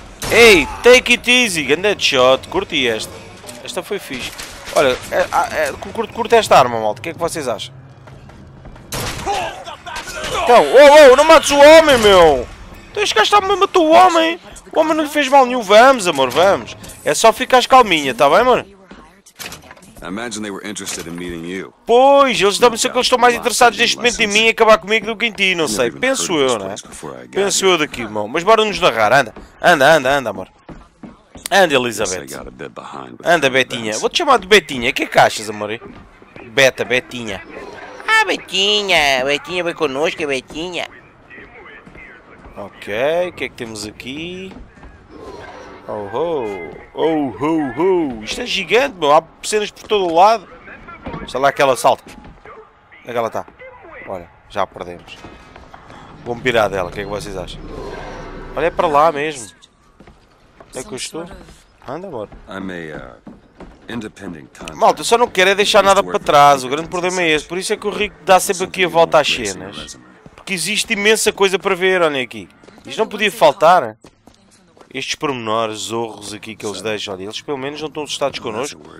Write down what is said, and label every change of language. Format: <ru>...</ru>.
<pt>Ei,</pt> <en>take it easy,</en> <pt>grande headshot, curti esta. Esta foi fixe. Olha, curto esta arma, malta, o que é que vocês acham? Então, oh, não mates o homem, meu! Então este gajo está mesmo a matar o homem! O homem não lhe fez mal nenhum, vamos, amor, vamos! É só ficares calminha, tá bem, mano?</pt> <en>Imagine they were interested in meeting you.</en> <pt>Pois, eles estão que eles estão mais interessados neste momento em mim acabar comigo do que em ti, não sei. Penso eu, né? Penso eu daqui, irmão. Mas bora nos narrar, anda. Anda, anda, anda, amor. Anda, Elizabeth. Anda, Betinha. Vou-te chamar de Betinha. O que é que achas, amor? Beta, Betinha. Ah, Betinha. Betinha vem connosco, Betinha. Ok, o que é que temos aqui? Oh ho! Isto é gigante, meu! Há cenas por todo o lado! Sei lá que ela salta! Onde é que ela está? Olha, já a perdemos! Vou-me pirar dela, o que é que vocês acham? Olha, é para lá mesmo! é que eu estou? Anda, bora.</pt> <en>I'm a, independent contractor.</en> <pt>Malta, só não quero é deixar nada para trás. O grande problema é esse. Por isso é que o Rico dá sempre aqui a volta às cenas. Porque existe imensa coisa para ver, olhem aqui. Isto não podia faltar. Estes pormenores, zorros aqui que eles deixam ali. Eles pelo menos não estão assustados connosco.</pt>